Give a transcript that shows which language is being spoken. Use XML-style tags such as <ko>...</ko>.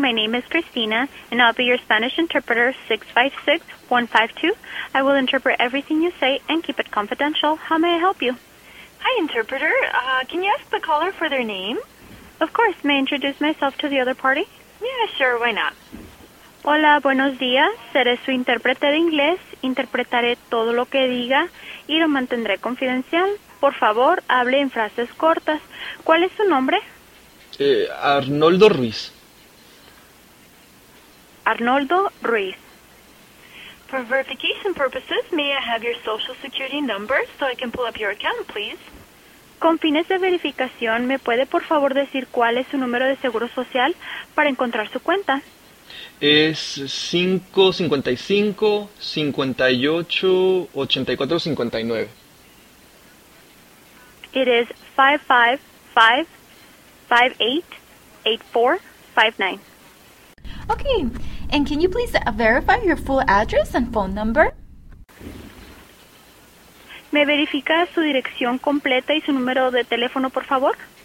<en>My name is Christina, and I'll be your Spanish interpreter, 656-152. I will interpret everything you say and keep it confidential. How may I help you? Hi, interpreter. Can you ask the caller for their name? Of course. May I introduce myself to the other party? Yeah, sure. Why not?</en> <es>Hola, buenos días. Seré su intérprete de inglés. Interpretaré todo lo que diga y lo mantendré confidencial. Por favor, hable en frases cortas. ¿Cuál es su nombre? Arnoldo Ruiz.</es> <en>Arnoldo Ruiz. For verification purposes, may I have your social security number so I can pull up your account, please?</en> <es>Con fines de verificación, ¿me puede por favor decir cuál es su número de seguro social para encontrar su cuenta? Es 555-58-8459.</es> <en>It is 555-58-8459. Okay, and can you please verify your full address and phone number?</en> <es>¿Me verifica su dirección completa y su número de teléfono, por favor?</es>